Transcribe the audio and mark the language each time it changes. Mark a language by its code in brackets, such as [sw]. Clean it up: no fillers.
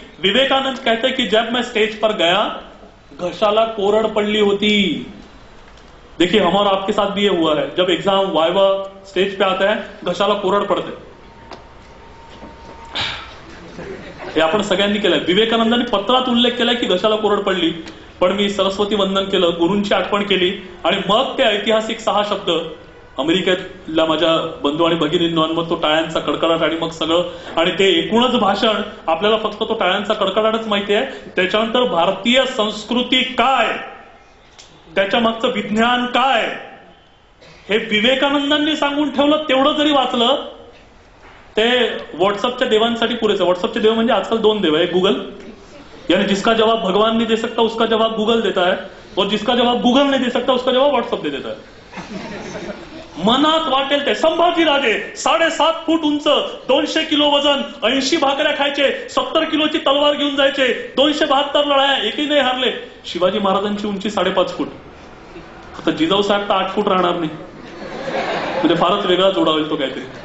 [hi] विवेकानंद कहते कि जब मैं स्टेज पर गया, [mr] घशाला कोरड़ पड़ली होती। [hi] देखिए हमारा आपके साथ भी ये हुआ है, जब एग्जाम वाइवा स्टेज पे आता है, [mr] घशाला कोरड़ पड़ते, आपण सगळ्यांनी केलं। विवेकानंदांनी पत्रात उल्लेख केलाय की घशाला कोरड पडली, पण मी सरस्वती वंदन केलं, गुरुंची आठवण केली, आणि मग ते ऐतिहासिक 6 शब्द अमेरिकेतल्या माझ्या बंधू आणि भगिनींना, तो टाळ्यांचा कडकडाट आणि मग सगळं, आणि ते एकूणच भाषण आपल्याला फक्त तो टाळ्यांचा कडकडाटच माहिती आहे, त्याच्यानंतर भारतीय संस्कृती काय, त्याच्या मागचं विज्ञान काय, हे विवेकानंदांनी सांगून ठेवलं, तेवढं जरी वाचलं ते व्हॉट्सअपच्या देवांसाठी पुरेसं। व्हॉट्सअपचे देव म्हणजे आजकाल 2 देव आहे, [hi] गुगल, यानी जिसका जवाब भगवान नहीं दे सकता उसका जवाब गूगल देता है, और जिसका जवाब गूगल नहीं दे सकता उसका जवाब व्हाट्सअप दे देता है। [mr] मनात वाटेल ते संभाजी राजे 7.5 फूट उंच, 200 किलो वजन, 80 भाकऱ्या खायचे, 70 किलोची तलवार घेऊन जायचे, 272 लढाया एकही नाही हरले। शिवाजी महाराजांची उंची 5.5 फूट, आता जिजाऊ साहेब तर 8 फूट राहणार नाही, म्हणजे फारच वेगळा जोडा होईल तो काहीतरी।